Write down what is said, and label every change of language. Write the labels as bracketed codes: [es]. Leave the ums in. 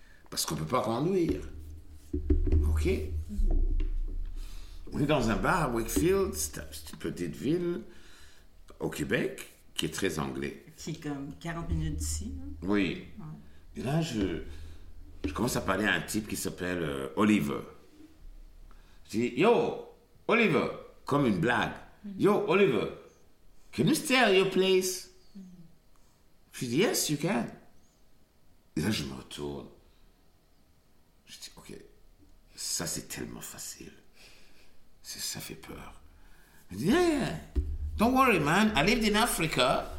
[fr] Parce qu'on ne peut pas renouer. OK On est dans un bar à Wakefield, c'est, c'est une petite ville au Québec qui est très anglais. Qui est comme 40 minutes d'ici. Là. Oui. Et là, je je commence à parler à un type qui s'appelle euh, Oliver. Je dis, yo, Oliver, comme une blague. Mm-hmm. [en] Yo, Oliver, can you stay at your place? [fr] Mm-hmm. Je dis, yes, you can. Et là, je me retourne. Je dis, ok, ça c'est tellement facile. ça, ça fait peur. [en] Je dis, yeah, yeah, don't worry, man, I lived in Africa.